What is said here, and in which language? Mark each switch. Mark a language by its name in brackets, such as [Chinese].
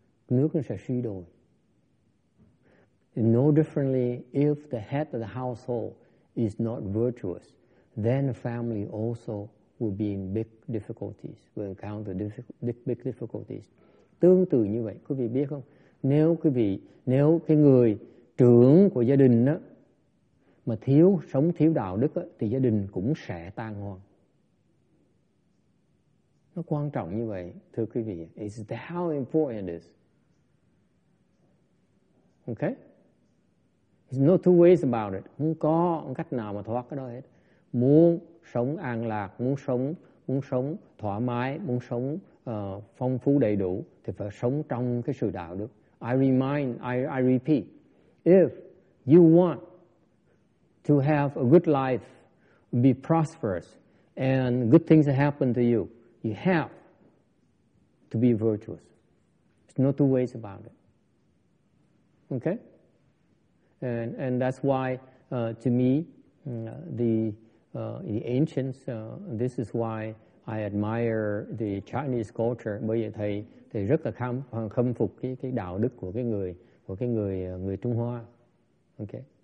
[Vietnamese] Nước nó sẽ suy đồi. [English] No differently if the head of the household is not virtuous, then the family also will be in big difficulties, will encounter big difficulties. [Vietnamese] Tương tự như vậy, quý vị biết không? Nếu cái người trưởng của gia đình á mà thiếu đạo đức á, thì gia đình cũng sẽ tan hoang. Nó quan trọng như vậy, thưa quý vị. [English] Is that how important it is? Okay? There's no two ways about it. [Vietnamese] Không có cách nào mà thoát cái đó hết. Muốn sống an lạc, muốn sống thoải mái, muốn sống phong phú đầy đủ, thì phải sống trong cái sự đạo đức. [English] I repeat, if you want to have a good life, be prosperous, and good things happen to you, you have to be virtuous. There's no two ways about it. Okay? And that's why to me the ancients this is why I admire the Chinese culture. [Vietnamese] Bởi vậy thầy rất là khâm phục cái đạo đức của cái người Trung Hoa. Okay.